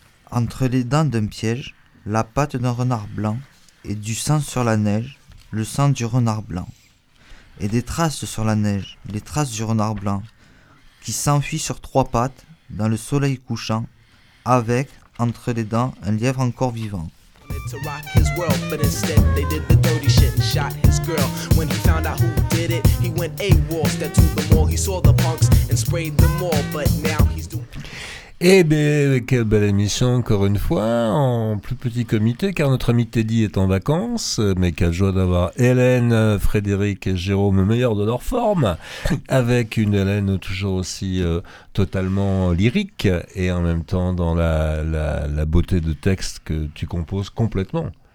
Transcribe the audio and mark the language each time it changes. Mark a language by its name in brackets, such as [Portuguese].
[French] Entre les dents d'un piège, la patte d'un renard blanc, et du sang sur la neige, le sang du renard blanc. Et des traces sur la neige, les traces du renard blanc, qui s'enfuit sur trois pattes, dans le soleil couchant, avec, entre les dents, un lièvre encore vivant. [English] To rock his world, but instead they did the dirty shit and shot his girl. When he found out who did it, he went AWOL, stepped to the mall, he saw the punks and sprayed them all, but now he's doing... [French] Eh bien, quelle belle émission encore une fois, en plus petit comité, car notre ami Teddy est en vacances, mais quelle joie d'avoir Hélène, Frédéric et Jérôme, meilleurs de leur forme, avec une Hélène toujours aussi totalement lyrique, et en même temps dans la beauté de texte que tu composes complètement.